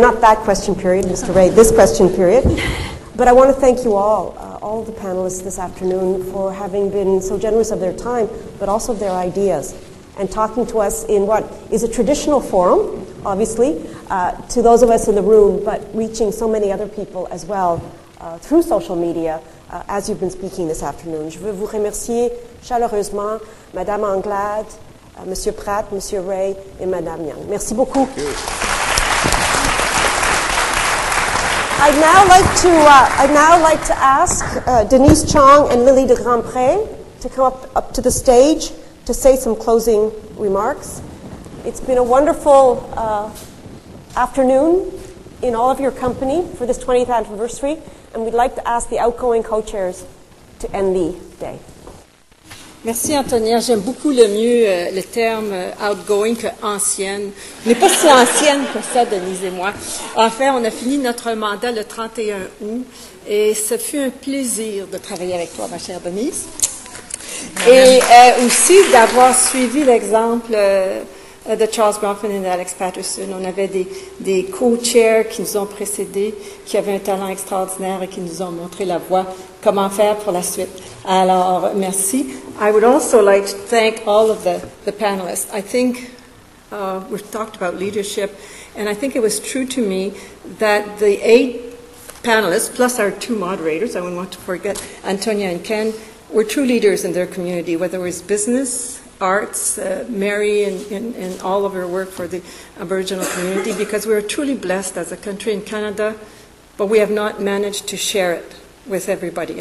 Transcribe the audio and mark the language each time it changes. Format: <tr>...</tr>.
<en>Not that question period, Mr. Ray. This question period. But I want to thank you all the panelists this afternoon, for having been so generous of their time, but also of their ideas, and talking to us in what is a traditional forum, obviously, to those of us in the room, but reaching so many other people as well through social media as you've been speaking this afternoon.</en> <fr>Je veux vous remercier chaleureusement, Madame Anglade, Monsieur Pratt, Monsieur Ray, et Madame Young. Merci beaucoup.</fr> <en>Thank you. I'd now like to ask Denise Chong and Lily de Grandpré to come up to the stage to say some closing remarks. It's been a wonderful afternoon in all of your company for this 20th anniversary, and we'd like to ask the outgoing co-chairs to end the day.</en> <fr>Merci, Antonia. J'aime beaucoup le mieux le terme outgoing que ancienne. On n'est pas si ancienne que ça, Denise et moi. Enfin, on a fini notre mandat le 31 août et ce fut un plaisir de travailler avec toi, ma chère Denise. Et aussi d'avoir suivi l'exemple de Charles Bronfman et d'Alex Patterson. On avait des co-chairs qui nous ont précédés, qui avaient un talent extraordinaire et qui nous ont montré la voie, comment faire pour la suite. Alors, merci.</fr> <en>I would also like to thank all of the panelists. I think We've talked about leadership, and I think it was true to me that the 8 panelists, plus our 2 moderators, I wouldn't want to forget, Antonia and Ken, were true leaders in their community, whether it was business, arts, Mary and all of her work for the Aboriginal community, because we are truly blessed as a country in Canada, but we have not managed to share it with everybody.</en>